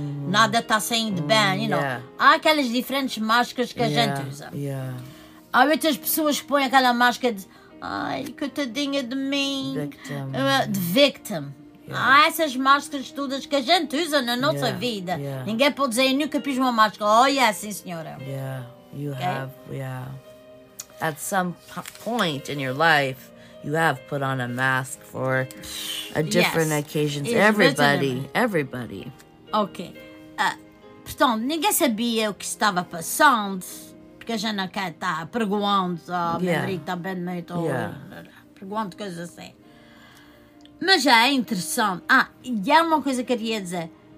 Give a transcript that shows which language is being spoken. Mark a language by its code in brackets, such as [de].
[pt] Nada está saindo bem, [en] you know. Yeah. [pt] Há aquelas diferentes máscaras que a gente usa. [en] Yeah. [pt] Há outras pessoas que põem aquela máscara de. Ai, coitadinha de mim. De victim. Há essas máscaras todas que a gente usa na nossa vida. [en] Yeah. [pt] Ninguém pode dizer, eu nunca pus uma máscara. [en] Oh, yeah, [pt] sim, senhora. [en] Yeah, you have, yeah. At some point in your life, you have put on a mask for a different occasion. Everybody. Ok. [pt] Portanto, ninguém sabia o que estava passando, porque a gente não quer estar perguntando ao Merita Benmeto, perguntando coisas assim. Mas já é interessante. Ah, e há uma coisa que eu queria dizer.